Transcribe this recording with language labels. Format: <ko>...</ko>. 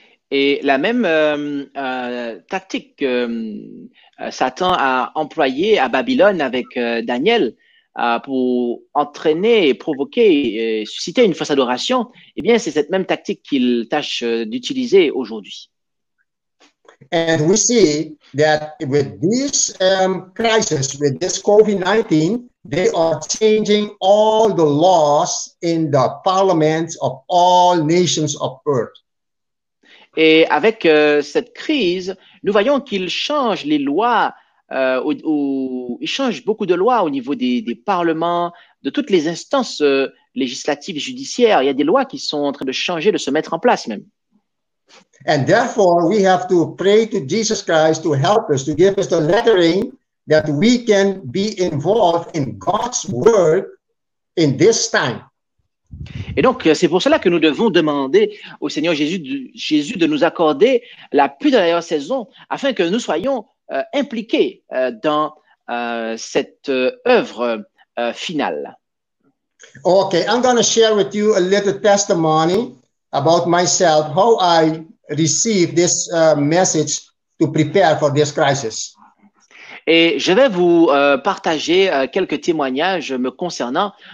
<fr>Et la même tactique que Satan a employée à Babylone avec Daniel pour entraîner, provoquer, susciter une fausse adoration, eh bien, c'est cette même tactique qu'il tâche d'utiliser aujourd'hui.</fr> <en>And we see that with this crisis, with this COVID-19, they are changing all the laws in the parliaments of all nations of earth.</en> <fr>Et avec cette crise, nous voyons qu'ils changent les lois, ils changent beaucoup de lois au niveau des parlements, de toutes les instances législatives et judiciaires. Il y a des lois qui sont en train de changer, de se mettre en place même.</fr> <en>And therefore, we have to pray to Jesus Christ to help us, to give us the lettering that we can be involved in God's work in this time.</en> <fr>Et donc, c'est pour cela que nous devons demander au Seigneur Jésus de nous accorder la pluie de la dernière saison afin que nous soyons impliqués dans cette œuvre finale.</fr> <en>OK, I'm going to share with you a little testimony about myself, how I received this message to prepare for this crisis.</en> <fr>Et je vais vous partager quelques témoignages me concernant.</fr>